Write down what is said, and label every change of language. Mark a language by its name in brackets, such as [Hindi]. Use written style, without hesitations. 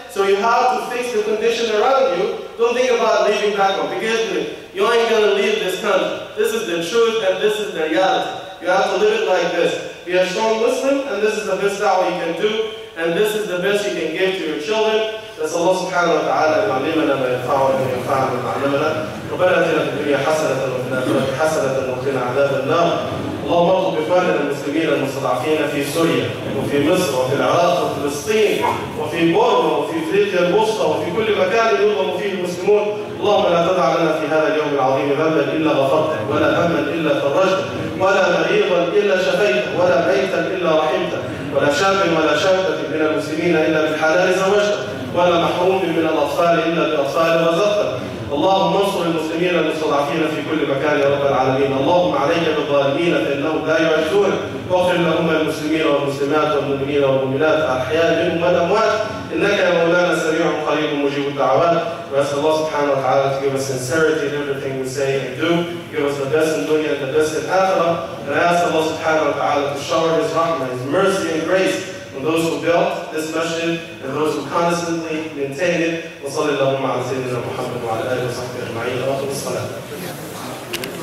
[English] So you have to fix the condition around you. Don't think about leaving back home. Because you ain't gonna leave this country. This is the truth and this is the reality. You have to live it like this. Be a strong Muslim and this is the best da'wah you can do. and this is the best you can give to your children. That's Allah subhanahu wa ta'ala [Arabic] يعلمنا ما ينفعنا وينفعنا ما علمنا وبلغنا في الدنيا حسنة وفي الآخرة حسنة وقنا عذاب النار. اللهم اغفر لإخواننا المسلمين المستضعفين في سوريا وفي مصر وفي العراق وفي فلسطين وفي بورما وفي افريقيا الوسطى وفي كل مكان يظلم فيه المسلمون. اللهم لا تدع لنا في هذا اليوم العظيم ذنبا الا غفرته ولا هما الا فرجته ولا مريضا الا شفيته ولا ميتا الا رحمته ولا شاب ولا شابه من المسلمين الا بالحلال زوجته ولا محروم من الاطفال الا بالاطفال رزقته. اللهم انصر المسلمين المستضعفين في كل مكان يا رب العالمين. اللهم عليك بالظالمين فانهم لا يعزونك. واغفر لهم المسلمين والمسلمات والمؤمنين والمؤمنات احياء منهم والاموات انك يا مولانا سميع قريب مجيب الدعوات. واسال الله سبحانه وتعالى [English] to give us sincerity in everything we say and do. Give us the best in dunya and the best in akhirah. And I ask Allah subhanahu wa ta'ala to shower his rahmah, his mercy and grace on those who built this masjid and those who constantly maintain it. [Arabic] وصلى الله على سيدنا محمد وعلى آله وصحبه أجمعين. اللهم صل على محمد.